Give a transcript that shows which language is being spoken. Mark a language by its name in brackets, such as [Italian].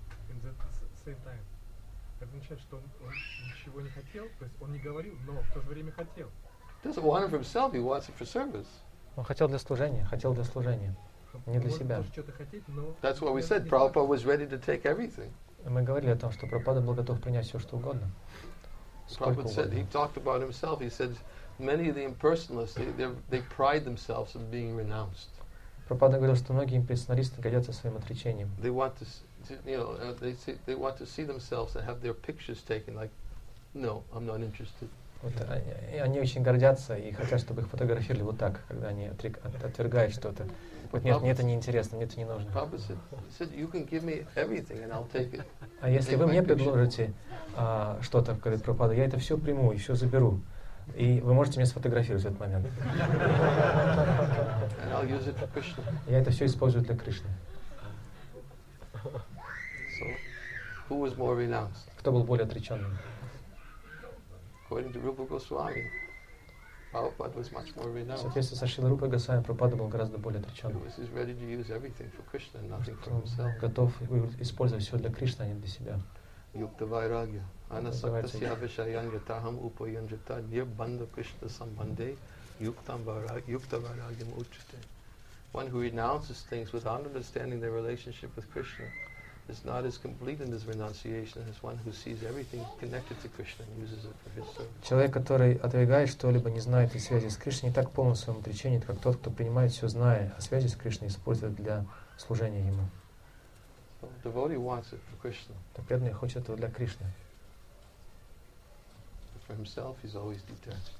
[English] In the same time, [Russian] это означает, что он ничего не хотел, то есть он не говорил, но в то же время хотел. [English] He doesn't want it for himself. He wants it for service. [Russian] Он хотел для служения, хотел для служения, не для себя. [English] That's what we said. Prabhupada was ready to take everything. [Russian] Мы говорили о том, что Прабхупада был готов принять все, что угодно. [English] Prabhupada said he talked about himself. He said many of the impersonalists they pride themselves in being renounced. [Russian] Пропада говорил, что многие имперсоналисты гордятся своим отречением. [English] They want to, they want to see themselves and have their pictures taken. Like, no, I'm not interested. [Russian] Вот они очень гордятся и хотят, чтобы их фотографировали вот так, когда они отвергают что-то. Вот нет, мне это не интересно, мне это не нужно. [English] Papa said, you can give me everything and I'll take it. [Russian] А если вы мне предложите что-то, говорит Пропада, я это все приму и все заберу. И вы можете меня сфотографировать в этот момент. [English] And I'll use it for Krishna. [Russian] Я это все использую для Кришны. [English] So, who was more renounced? [Russian] Кто был более отреченным? [English] According to Rupa Goswami, Prabhupada was much more renounced. [Russian] В соответствии со Шрилой Рупой Госвами, Прабхупада был гораздо более отреченным. [English] He was ready to use everything for Krishna, nothing for himself. [Russian] Готов использовать все для Кришны, а не для себя. [Sanskrit] Yukta Vairagya. Anasaktasya Vishayangataham Upayanjata Nirbanda Krishna Sambande Yukta Vairagyam Uchate. [English] One who renounces things without understanding their relationship with Krishna is not as complete in his renunciation as one who sees everything connected to Krishna and uses it for his service. [Russian] Человек, который отвергает что-либо, не знает о связи с Кришной, не так полон в своем отречении, как тот, кто принимает все, зная о связи с Кришной, использует для служения ему. [English] So the devotee wants it for Krishna. [Russian] Так преданный хочет этого для Кришны. [English] For himself, he's always detached.